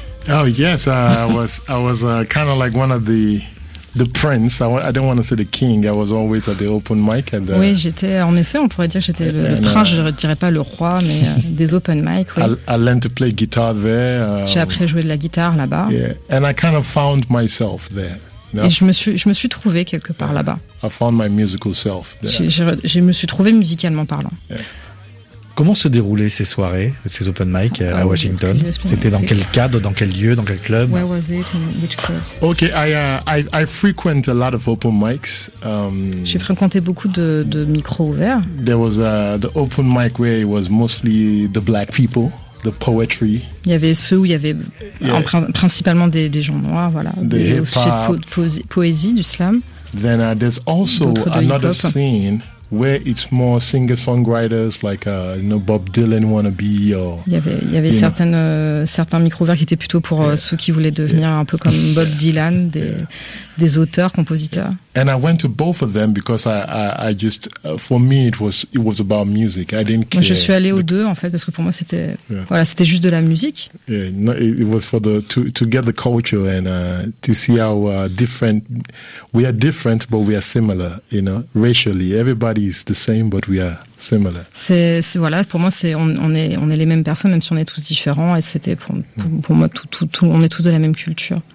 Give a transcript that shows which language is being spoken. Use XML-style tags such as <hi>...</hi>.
<en>Oh yes, I was kind of like one of the prince. I don't want to say the king. I was always at the open mic.</en> <fr>Oui, j'étais, en effet, on pourrait dire que j'étais le prince. Je ne dirais pas le roi, mais des open mic. Oui.</fr> <en>I learned to play guitar there.</en> <fr>J'ai appris à jouer de la guitare là-bas.</fr> <en>Yeah, and I kind of found myself there. You know,</en> <fr>et je me suis trouvé quelque part là-bas.</fr> <en>I found my musical self there.</en> <fr>Je me suis trouvé musicalement parlant.</fr> <en>Yeah.</en> <fr>Comment se déroulaient ces soirées, ces open mic à Washington? C'était dans quel cadre, dans quel lieu, dans quel club?</fr> <en>Where was it, in which clubs? Okay, I frequent a lot of open mics.</en> <fr>J'ai fréquenté beaucoup de micros ouverts.</fr> <en>There was the open mic where it was mostly the black people, the poetry.</en> <fr>Il y avait ceux où il y avait principalement des gens noirs, voilà, des poésies du slam.</fr> <en>Then there's also another scene where it's more singer-songwriters like you know, Bob Dylan wannabe, or</en> <fr>il y avait certains micro-ouverts qui étaient plutôt pour ceux qui voulaient devenir un peu comme Bob Dylan, des auteurs, compositeurs.</fr> <en>And I went to both of them because I just for me it was about music. I didn't care.</en> <fr>Moi, je suis allé aux deux en fait parce que pour moi c'était voilà, c'était juste de la musique.</fr> <en>Yeah, it was for the to get the culture and to see how different we are different but we are similar, you know, racially. Everybody is the same but we are similar.</en> <fr>C'est voilà, pour moi c'est on est les mêmes personnes même si on est tous différents et c'était pour moi tout on est tous de la même culture.</fr>